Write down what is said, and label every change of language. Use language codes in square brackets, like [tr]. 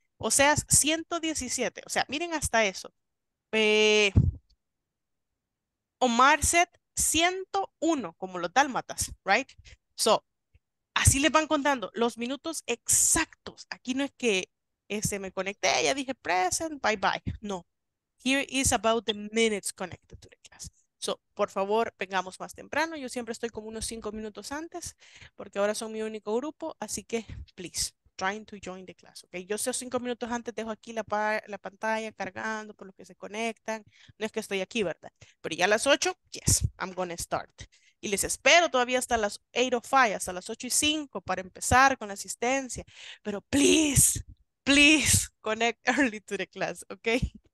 [es] O sea, 117. O sea, miren hasta eso. Omar Set, 101, como los dálmatas, [en] right? [es] So, así les van contando los minutos exactos. Aquí no es que me conecté, ya dije present, bye bye. No. [en] Here is about the minutes connected to the class. [es] So, por favor, vengamos más temprano. Yo siempre estoy como unos 5 minutos antes, porque ahora son mi único grupo. Así que, [en] please, trying to join the class. Okay? [es] Yo sé 5 minutos antes, dejo aquí la pantalla cargando por los que se conectan. No es que estoy aquí, ¿verdad? Pero ya a las 8, [en] yes, I'm gonna start. [es] Y les espero todavía hasta las 8:05, hasta las 8:05 para empezar con la asistencia. Pero [en] please, please connect early to the class, okay?